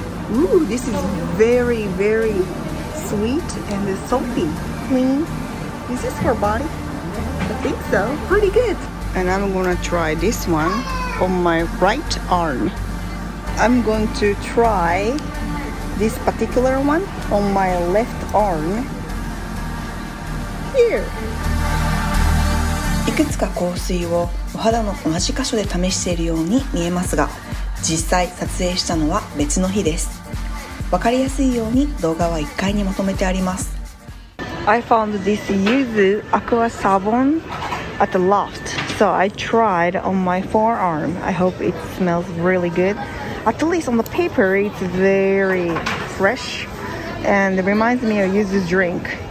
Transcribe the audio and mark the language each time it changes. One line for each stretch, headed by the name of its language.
English: Ooh, this is very, very sweet and salty, clean. Is this for body? I think so. Pretty good. And I'm gonna try this one on my right arm. I'm going to try this particular one on my left arm. Here.
Japanese: いくつか香水をお肌の同じ箇所で試しているように見えますが、実際撮影したのは別の日です。分かりやすいように動画は1階にまとめてあります。
English: I found this yuzu aqua sabon at the loft, so I tried on my forearm. I hope it smells really good. At least on the paper, it's very fresh and reminds me of yuzu drink.